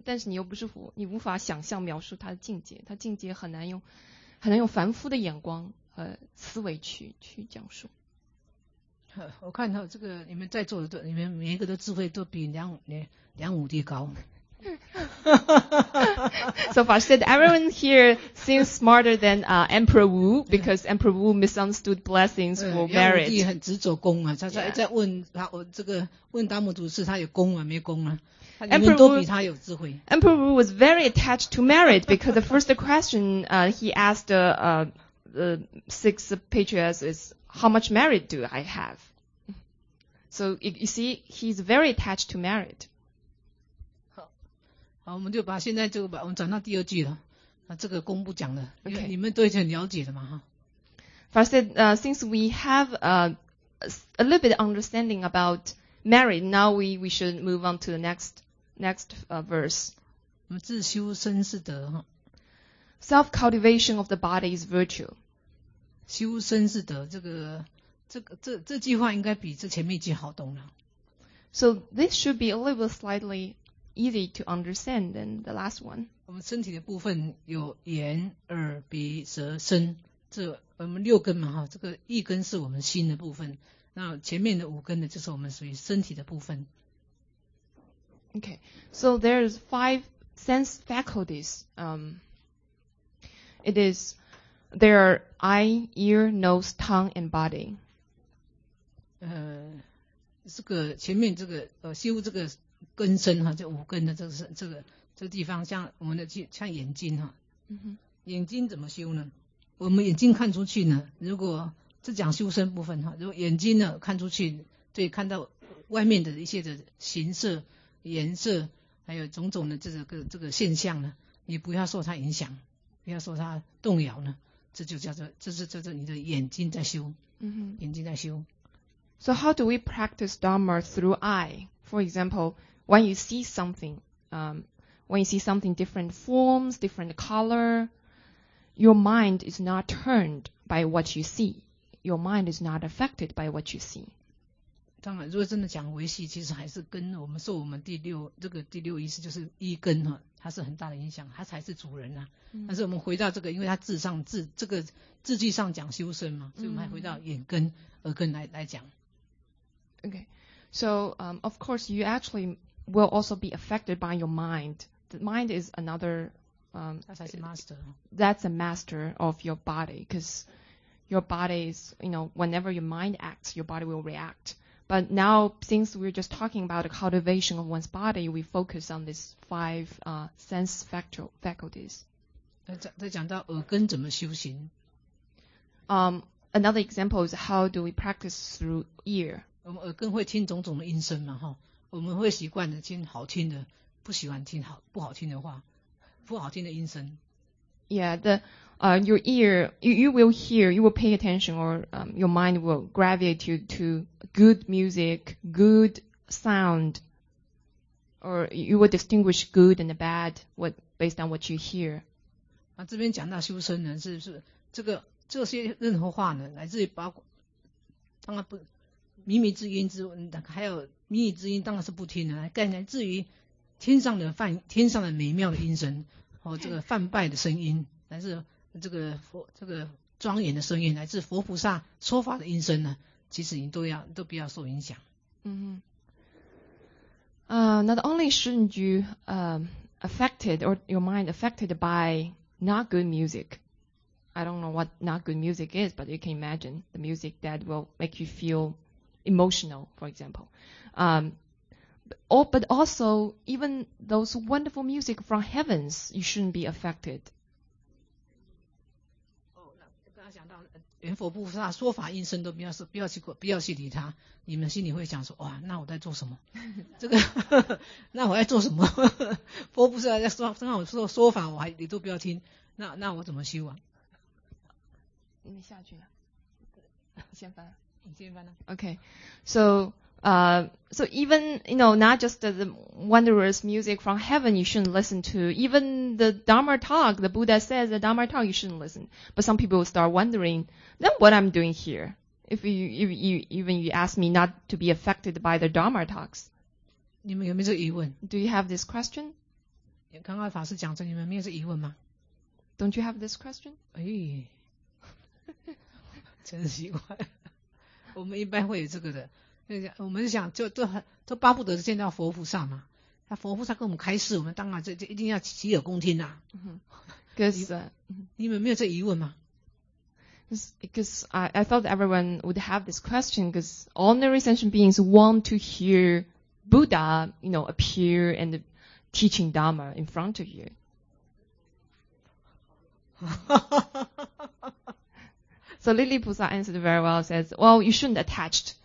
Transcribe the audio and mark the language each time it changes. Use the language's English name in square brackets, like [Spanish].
[Chinese] 但是你又不是佛，你无法想象描述他的境界，他境界很难用凡夫的眼光和思维去讲述。我看到这个你们在座的都，你们每一个的智慧都比梁武帝高。 [English] So far said everyone here seems smarter than Emperor Wu because Emperor Wu misunderstood blessings for merit. [Chinese] 梁武帝很执着功啊，他在、yeah. 在问他，我这个问达摩祖师，他有功啊没功啊？ [English] Emperor Wu was very attached to merit because the first question he asked the six patriarchs is how much merit do I have? So you see, he's very attached to merit. [Chinese] 好，我们就把现在这个把我们转到第二句了。那这个功不讲了，因为你们都已经了解了嘛哈。 [English] First, since we have a little bit of understanding about merit, now we should move on to the next verse. [Chinese] 我们自修身是德哈。 [English] Self cultivation of the body is virtue. [Chinese] 修身是德，这句话应该比这前面一句好懂了。 [English] So this should be a little slightly easy to understand than the last one. [Chinese] 我们身体的部分有眼、耳、鼻、舌、身，这我们六根嘛哈，这个一根是我们心的部分，那前面的五根呢，就是我们属于身体的部分。 [English] Okay, so there's five sense faculties. There are eye, ear, nose, tongue, and body. [Chinese] 这个前面这个修这个根身哈，这五根的这个地方，像我们的像眼睛哈，眼睛怎么修呢？我们眼睛看出去呢，如果这讲修身部分哈，如果眼睛呢看出去，对，看到外面的一些的形色、颜色，还有种种的这个现象呢，你不要受它影响，不要受它动摇呢，这就叫做这是你的眼睛在修，眼睛在修。 [English] So how do we practice Dharma through eye? For example, when you see something, when you see something different forms, different color, your mind is not turned by what you see. Your mind is not affected by what you see. [Chinese] 当然，如果真的讲维系，其实还是跟我们受我们第六意识就是一根哈，它是很大的影响，它才是主人呐、啊。但是我们回到这个，因为它字句上讲修身嘛，所以我们还回到眼根、耳根来讲。 [English] Okay, so of course you actually will also be affected by your mind. The mind is another. That's a master. That's a master of your body, because your body is, you know, whenever your mind acts, your body will react. But now, since we're just talking about the cultivation of one's body, we focus on these five sense faculties. [Chinese] 在讲到耳根怎么修行。 [English] Another example is how do we practice through ear? [Chinese] 我们耳根会听种种的音声嘛，哈，我们会习惯的听好听的，不喜欢听不好听的话，不好听的音声。 [English] Yeah, your ear, you will hear, you will pay attention, or your mind will gravitate to good music, good sound, or you will distinguish good and bad what based on what you hear. [Chinese] 啊，这边讲到修身呢，是这些任何话呢，来自于包括，当然不。靡靡之音当然是不听的，但来自于天上的美妙的音声，和这个梵拜的声音，来自这个佛这个庄严的声音，来自佛菩萨说法的音声呢，其实你都不要受影响。 [English] Not only shouldn't you affected or your mind affected by not good music. I don't know what not good music is, but you can imagine the music that will make you feel. Emotional, for example. But also, even those wonderful music from heavens, you shouldn't be affected. [Chinese] 刚刚讲到连佛菩萨说法应声都不要说，不要去过，不要去理他，你们心里会想说，哇，那我在做什么？这个，那我在做什么？佛菩萨在说，正好说说法，我还你都不要听，那我怎么修啊？你下去了，先翻，你先翻了。 [English] OK， so。 So even, you know, not just the wondrous music from heaven you shouldn't listen to, even the Dharma talk, the Buddha says the Dharma talk you shouldn't listen. But some people will start wondering, then what I'm doing here? If you ask me not to be affected by the Dharma talks. [Chinese] 你们有没有这个疑问? [English] Do you have this question? [Chinese] 刚刚法师讲着你们没有这个疑问吗? [English] Don't you have this question? [Chinese] 哎，真奇怪，我们一般会有这个的。我们想就都巴不得见到佛菩萨嘛，那佛菩萨跟我们开示，我们当然就一定要洗耳恭听啦。 [English] Because [Chinese] 你们没有这疑问吗？ [English] Because I thought everyone would have this question, because ordinary sentient beings want to hear Buddha, you know, appear and teaching Dharma in front of you. 哈哈哈哈哈哈。So Lily 菩萨 answered very well, says, well, you shouldn't attach to.